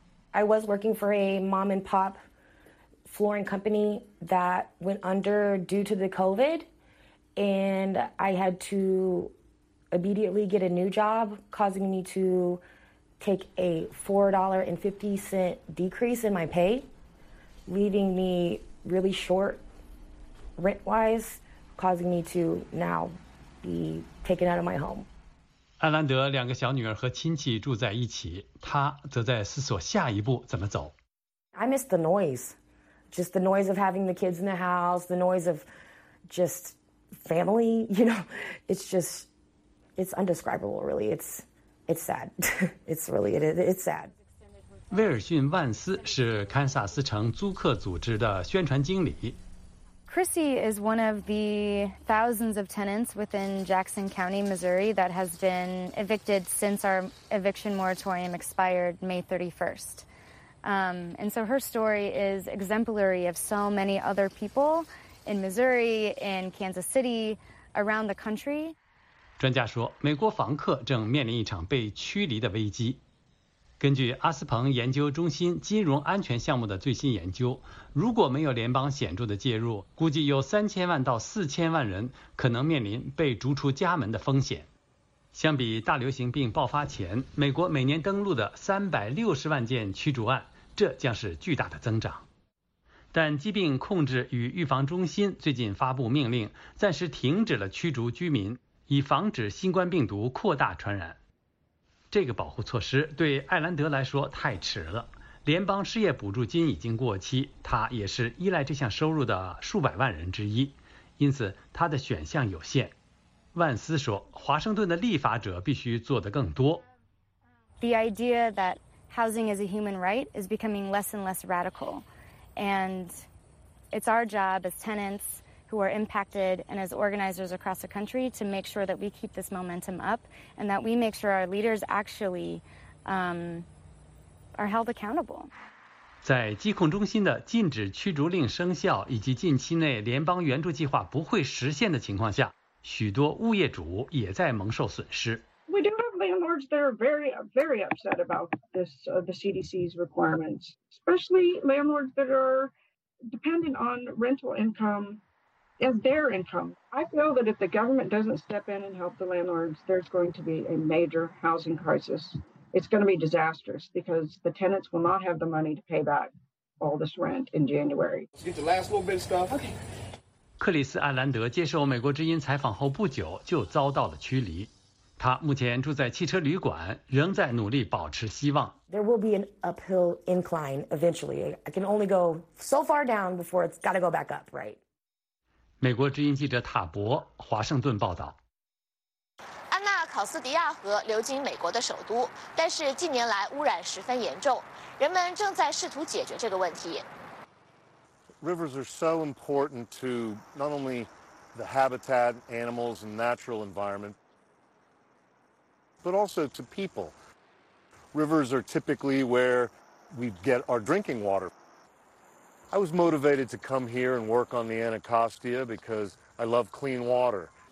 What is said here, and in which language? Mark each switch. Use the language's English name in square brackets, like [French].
[English] I was working for a mom and pop flooring company that went under due to the COVID, and I had to immediately get a new job, causing me to take a $4.50 decrease in my pay, leaving me really short rent-wise, causing me to now be taken out of my home. [Chinese] 艾兰德两个小女儿和亲戚住在一起，她则在思索下一步怎么走。 [English] I miss the noise, just the noise of having the kids in the house, the noise of just family, you know, it's just, it's indescribable, really, It's sad. It's really, it's sad. [Chinese] 威尔逊·万斯是堪萨斯城租客组织的宣传经理。 [English] Chrissy is one of the thousands of tenants within Jackson County, Missouri that has been evicted since our eviction moratorium expired May 31st. And so her story is exemplary of so many other people in Missouri, in Kansas City, around the country. [Chinese] 专家说，美国房客正面临一场被驱离的危机。根据阿斯彭研究中心金融安全项目的最新研究，如果没有联邦显著的介入，估计有3000万到4000万人可能面临被逐出家门的风险。相比大流行病爆发前，美国每年登陆的360万件驱逐案，这将是巨大的增长。但疾病控制与预防中心最近发布命令，暂时停止了驱逐居民，以防止新冠病毒扩大传染。这个保护措施对艾兰德来说太迟了，联邦失业补助金已经过期，他也是依赖这项收入的数百万人之一，因此他的选项有限。万斯说，华盛顿的立法者必须做得更多。 [English] The idea that housing is a human right is becoming less and less radical, and it's our job as tenantswho are impacted and as organizers across the country to make sure that we keep this momentum up and that we make sure our leaders actually are held accountable. [Chinese] 在疾控中心的禁止驱逐令生效以及近期内联邦援助计划不会实现的情况下，许多物业主也在蒙受损失。 [English] We do have landlords that are very, very upset about this, the CDC's requirements, especially landlords that are dependent on rental income. As their income, I feel that if the government doesn't step in and help the landlords, there's going to be a major housing crisis. It's going to be disastrous because the tenants will not have the money to pay back all this rent in January. Let's get the last little bit of stuff. Okay. [Chinese] 克里斯·艾兰德接受美国之音采访后不久就遭到了驱离，他目前住在汽车旅馆，仍在努力保持希望。 [English] There will be an uphill incline eventually. I can only go so far down before it's got to go back up, right? [Chinese] 美国之音记者塔博，华盛顿报道。安娜考斯迪亚河流经美国的首都，但是近年来污染十分严重，人们正在试图解决这个问题。 [English] Rivers are so important to not only the habitat, animals, and natural environment. But also to people. Rivers are typically where we get our drinking water. I was motivated to come here and work on the Anacostia because I love clean water.